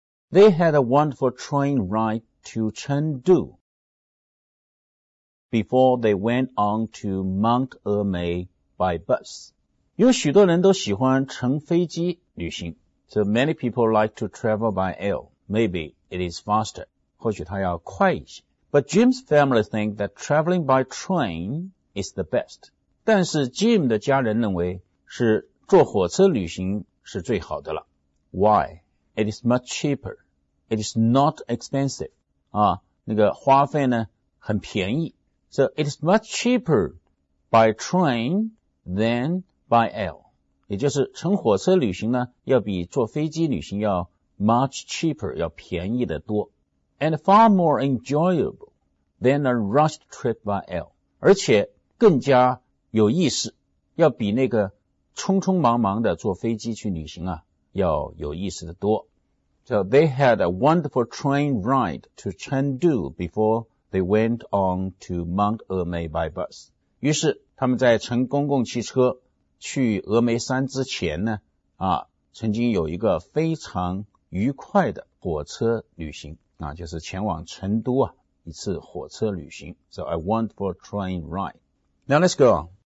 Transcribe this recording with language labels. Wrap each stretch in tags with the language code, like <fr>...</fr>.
<en>They had a wonderful train ride to Chengdu before they went on to Mount Emei by bus.</en> <zh>有许多人都喜欢乘飞机旅行</zh> <en>so many people like to travel by air. Maybe it is faster.</en> <zh>或许它要快一些。</zh> <en>But Jim's family think that traveling by train is the best.</en> <zh>但是 Jim 的家人认为是坐火车旅行是最好的了。</zh> <en>Why? It is much cheaper. It is not expensive.</en> <zh>啊，那个花费呢很便宜。</zh> <en>So it is much cheaper by train than by air.</en> <zh>也就是乘火车旅行呢要比坐飞机旅行要</zh> <en>Much cheaper,</en> <zh>要便宜的多</zh> <en>and far more enjoyable than a rushed trip by air.</en> <zh>而且更加有意思，要比那个匆匆忙忙的坐飞机去旅行啊，要有意思的多。</zh> <en>So they had a wonderful train ride to Chengdu before they went on to Mount Emei by bus.</en> <zh>于是他们在乘公共汽车去峨眉山之前呢，啊，曾经有一个非常愉快的火车旅行啊，就是前往成都啊一次火车旅行。</zh> <en>So I went for a train ride. Now let's go.</en>